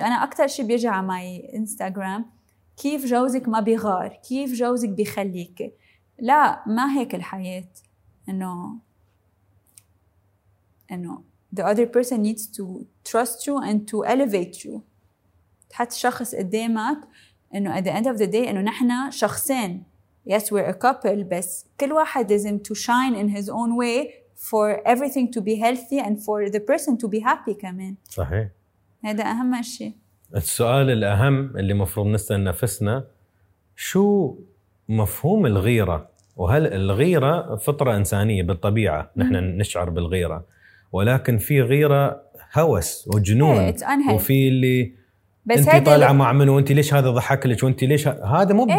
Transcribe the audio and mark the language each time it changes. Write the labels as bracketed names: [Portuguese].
[Arabic] أنا أكتر شيء بيجي على my Instagram. كيف جوزك ما بيغار؟ كيف جوزك بيخليك؟ لا ما هيك الحياة. إنه [English] the other person needs to trust you and to elevate you. [Arabic] تحط شخص قدامك إنه [English] at the end of the day [Arabic] إنه نحنا شخصين. [English] Yes, we're a couple, but [Arabic] كل واحد لازم [English] to shine in his own way for everything to be healthy and for the person to be happy [Arabic] كمان. صحيح. هذا أهم شيء. السؤال الأهم اللي مفروض نسأل نفسنا، شو مفهوم الغيرة؟ وهل الغيرة فطرة إنسانية بالطبيعة نحن نشعر بالغيرة، ولكن في غيرة هوس وجنون وفي اللي بس انت طالعة مع منه وانت ليش هذا ضحك لك وانت ليش هذا مو